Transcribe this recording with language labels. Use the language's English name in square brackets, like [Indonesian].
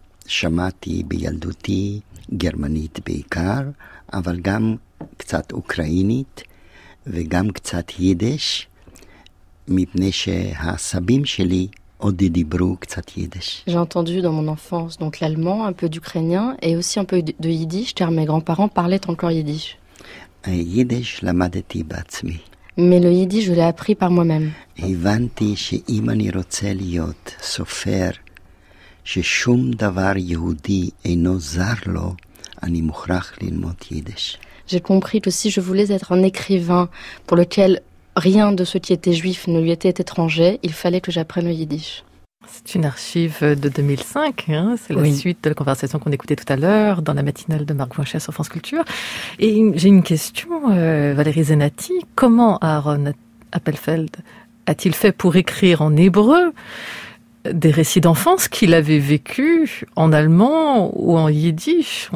[Hebrew] שמעתי בילדותי גרמנית בעיקר, אבל גם קצת אוקראינית וגם קצת יידיש, מפני שהסבים שלי עוד דיברו קצת יידיש. [French] J'ai entendu dans mon enfance donc l'allemand, un peu d'ukrainien et aussi un peu de yiddish, car mes grands-parents parlaient encore yiddish. [Hebrew] יידיש למדתי בעצמי. [French] Mais le yiddish, je l'ai appris par moi-même. [Hebrew] הבנתי שאם אני רוצה להיות סופר, ששום דבר יהודי אינו זר לו, אני מוכרח ללמוד יידיש. [French] J'ai compris que si je voulais être un écrivain pour lequel rien de ce qui était juif ne lui était étranger, il fallait que j'apprenne le yiddish. C'est une archive de 2005, hein, c'est la suite de la conversation qu'on écoutait tout à l'heure dans la matinale de Marc Boinchet sur France Culture. Et j'ai une question, Valérie Zenati, comment Aaron Appelfeld a-t-il fait pour écrire en hébreu des récits d'enfance qu'il avait vécu en allemand ou en yiddish?